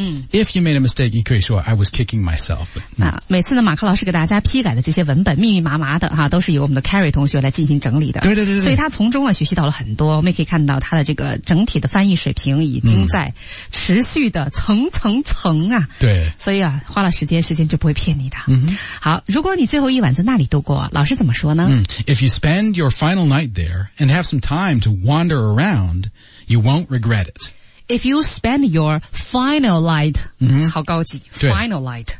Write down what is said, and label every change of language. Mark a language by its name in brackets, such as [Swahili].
[English] If you made a mistake, [Chinese] 你可以说 [English] I was kicking myself, [Chinese] 每次呢马克老师给大家批改的这些文本密密麻麻的哈、都是由我们的 Carrie 同学来进行整理的。对对对对。所以他从中啊学习到了很多，我们也可以看到他的这个整体的翻译水平已经在持续的层层层啊。对。所以啊花了时间就不会骗你的。嗯。好，如果你最后一晚在那里度过，老师怎么说呢？嗯。 [English] If you spend your final night there and have some time to wander around, you won't regret it. If you spend your final night,、 [Chinese] 好高级 [English] final night.